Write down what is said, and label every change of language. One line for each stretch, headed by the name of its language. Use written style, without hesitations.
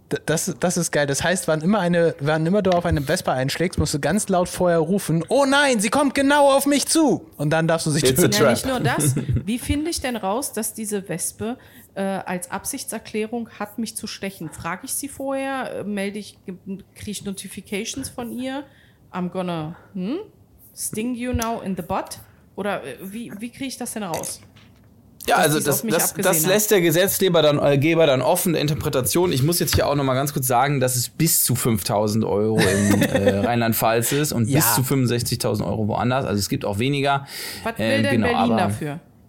German: Das ist geil. Das heißt, wann immer du auf eine Wespe einschlägst, musst du ganz laut vorher rufen, oh nein, sie kommt genau auf mich zu. Und dann darfst du sich töten. Ja, nicht nur das. Wie finde ich denn raus, dass diese Wespe als Absichtserklärung hat, mich zu stechen? Frage ich sie vorher? Kriege ich Notifications von ihr?
English: I'm gonna sting you now in the butt?
German: Oder wie kriege ich das denn raus? Ja, also das lässt der Gesetzgeber dann offen, Interpretation. Ich muss jetzt hier auch nochmal ganz kurz sagen, dass es bis zu 5.000 Euro in Rheinland-Pfalz ist und bis zu 65.000 Euro woanders. Also es gibt auch weniger. Was will denn genau, Berlin dafür?